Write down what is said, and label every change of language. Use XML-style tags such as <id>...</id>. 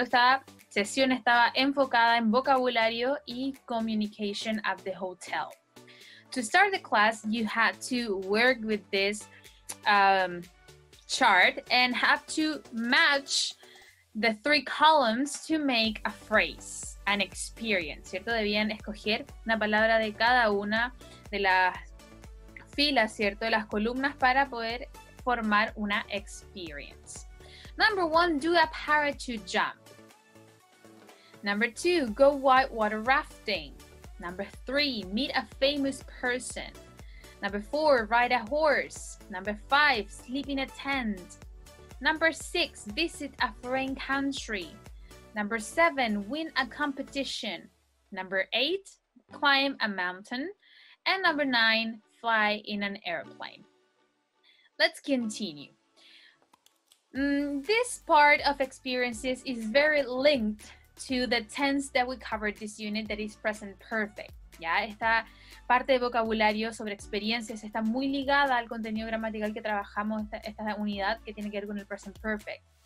<es>Esta sesión estaba enfocada en vocabulario y</es> <en>communication at the hotel. To start the class, you had to work with this chart and have to match the 3 columns to make a phrase, an experience, ¿cierto?</en> <es>Debían escoger una palabra de cada una de las filas, ¿cierto? De las columnas para poder formar una experience.</es> <en>Number 1, do a parachute jump. Number 2, go whitewater rafting. Number 3, meet a famous person. Number 4, ride a horse. Number 5, sleep in a tent. Number 6, visit a foreign country. Number 7, win a competition. Number 8, climb a mountain. And number 9, fly in an airplane. Let's continue. This part of experiences is very linked to the tense that we covered this unit, that is present perfect.</en> <es>Ya, esta parte de vocabulario sobre experiencias está muy ligada al contenido gramatical que trabajamos esta unidad, que tiene que ver con el present perfect.</es>